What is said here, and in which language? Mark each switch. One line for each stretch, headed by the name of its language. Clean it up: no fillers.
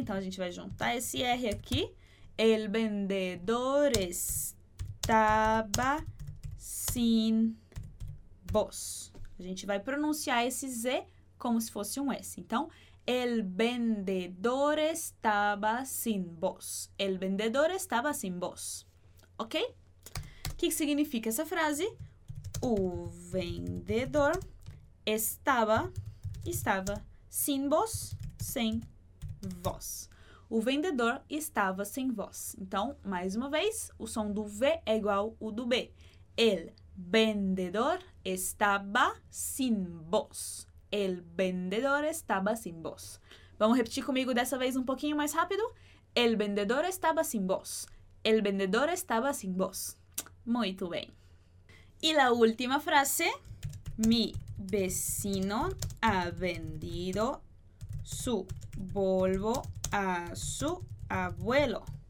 Portuguese: Então a gente vai juntar esse R aqui.
Spanish: El vendedor estaba sin voz.
Portuguese: A gente vai pronunciar esse Z como se fosse um S. Então.
Spanish: El vendedor estaba sin voz. El vendedor estaba sin voz. Ok?
Portuguese: O que significa essa frase? O vendedor estava
Spanish: sin voz,
Portuguese: sem voz. O vendedor estava sem voz. Então, mais uma vez, o som do V é igual ao do B.
Spanish: El vendedor estaba sin voz. El vendedor estaba sin voz.
Portuguese: Vamos repetir comigo dessa vez um pouquinho mais rápido?
Spanish: El vendedor estaba sin voz. El vendedor estaba sin voz.
Portuguese: Muito bem. E
Spanish: la última frase. Mi vecino ha vendido su Volvo a su abuelo.